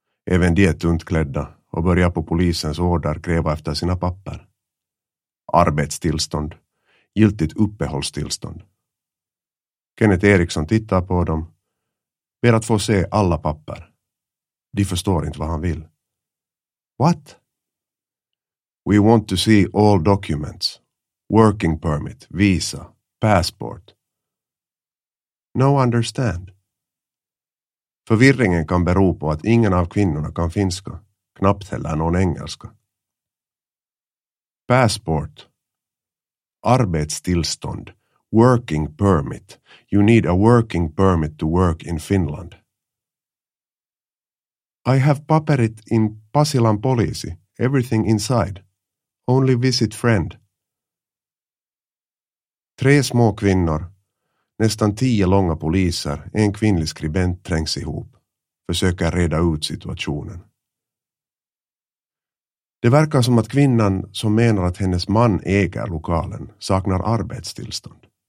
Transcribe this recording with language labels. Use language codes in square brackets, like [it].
[sv] Även de är tunt klädda och börjar på polisens order gräva efter sina papper. Arbetstillstånd. Giltigt uppehållstillstånd. Kenneth Eriksson tittar på dem. Ber att få se alla papper. De förstår inte vad han vill. [en] What? We want to see all documents. Working permit, visa, passport. No understand. [sv] Förvirringen kan bero på att ingen av kvinnorna kan finska. Knappt heller någon engelska. [en] Passport. [sv] Arbetstillstånd, [en] working permit, you need a working permit to work in Finland. I have [fi] paperit [en] in [fi] Pasilan poliisi, [en] everything inside, only visit friend. [sv] Tre små kvinnor, nästan 10 långa poliser, en kvinnlig skribent trängs ihop, försöker reda ut situationen. Det verkar som att kvinnan som menar att hennes man äger lokalen saknar arbetstillstånd.